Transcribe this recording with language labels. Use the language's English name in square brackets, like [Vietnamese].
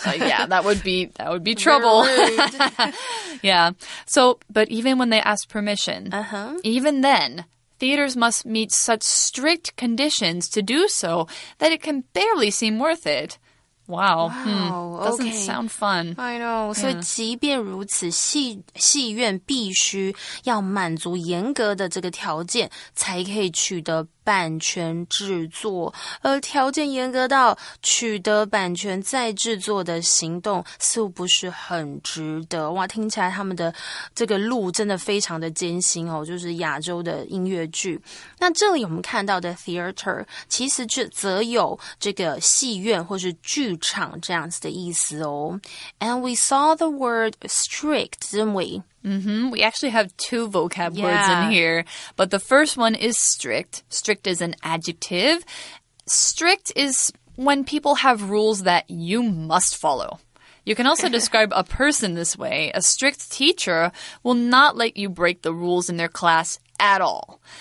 [English] yeah, that would be trouble. yeah. So, but even when they ask permission, even then, theaters must meet such strict conditions to do so that it can barely seem worth it. Wow. Doesn't sound fun. I know. Yeah. [Chinese] 所以即便如此，戏院必须要满足严格的这个条件才可以取得版权制作，而条件严格到取得版权再制作的行动是不是很值得？哇，听起来他们的这个路真的非常的艰辛哦，就是亚洲的音乐剧。那这里我们看到的 theater 其实就则有这个戏院或是剧场这样子的意思哦。 [English] And we saw the word strict, didn't we? We actually have two vocab words in here, but the first one is strict. Strict is an adjective. Strict is when people have rules that you must follow. You can also describe a person this way. A strict teacher will not let you break the rules in their class at all.